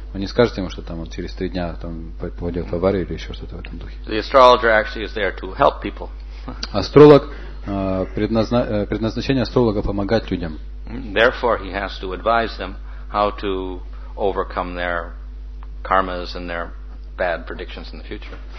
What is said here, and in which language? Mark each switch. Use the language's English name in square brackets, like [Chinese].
[Russian] Он не скажет ему, что там он через 3 дня там попадет в аварию или еще что-то в этом духе. [English] The astrologer actually is there to help people. [Russian] Астролог, предназначение астролога помогать людям. [English] Therefore, he has to advise them how to overcome their karmas and their bad predictions in the future.